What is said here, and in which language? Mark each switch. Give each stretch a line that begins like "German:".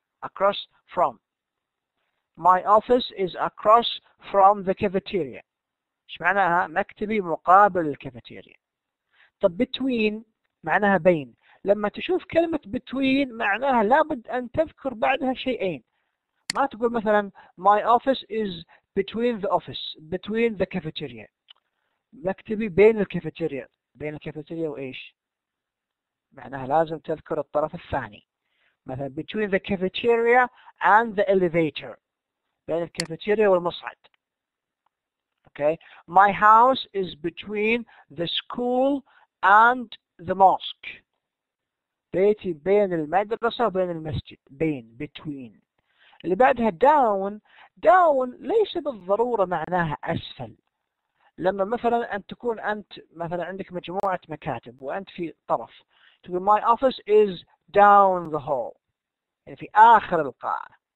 English: Across from. My office is across from the cafeteria.
Arabic: إيش معناها؟ مكتبي مقابل الكافيتيريا. طب between معناها بين. لما تشوف كلمة between معناها لابد أن تذكر بعدها شيئين. ما تقول مثلا
English: my office is between the office, between the cafeteria.
Arabic: مكتبي بين الكافيتيريا، بين الكافيتيريا وإيش؟ معناها لازم تذكر الطرف الثاني.
English: مثلا between the cafeteria and the elevator.
Arabic: بين الكافيتيريا والمصعد.
English: Okay. My house is between the school and the mosque.
Arabic: بيتي بين المدرسة وبين المسجد. بين، between. اللي بعدها down. down ليس بالضرورة معناها أسفل. لما مثلا أن تكون أنت مثلا عندك مجموعة مكاتب وأنت في طرف، تقول
English: my office is down the hall،
Arabic: يعني في آخر القاعة.